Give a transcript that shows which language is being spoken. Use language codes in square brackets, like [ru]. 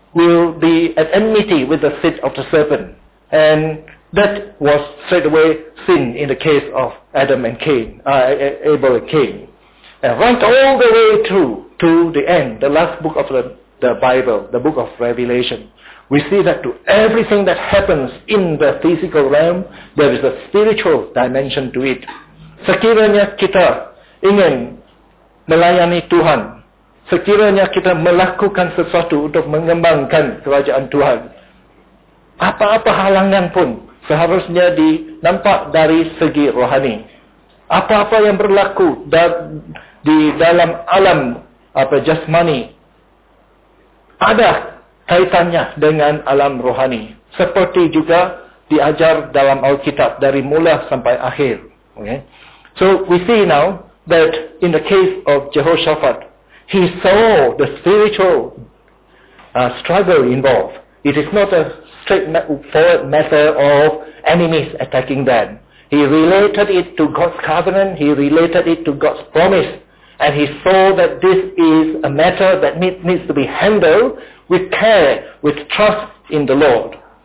[en] will be at enmity with the seed of the serpent. And that was straight away sin in the case of Adam and Cain, Abel and Cain. And right all the way through to the end, the last book of the Bible, the book of Revelation, we see that to everything that happens in the physical realm, there is a spiritual dimension to it. [ms] Sekiranya kita ingin melayani Tuhan, sekiranya kita melakukan sesuatu untuk mengembangkan kerajaan Tuhan, apa-apa halangan pun seharusnya dinampak dari segi rohani. Apa-apa yang berlaku di dalam alam apa jasmani ada kaitannya dengan alam rohani, seperti juga diajar dalam Alkitab dari mula sampai akhir. Okay. [en] So we see now that in the case of Jehoshaphat, he saw the spiritual struggle involved. It is not a straightforward matter of enemies attacking them. He related it to God's covenant, he related it to God's promise, and he saw that this is a matter that needs to be handled with care, with trust in the Lord.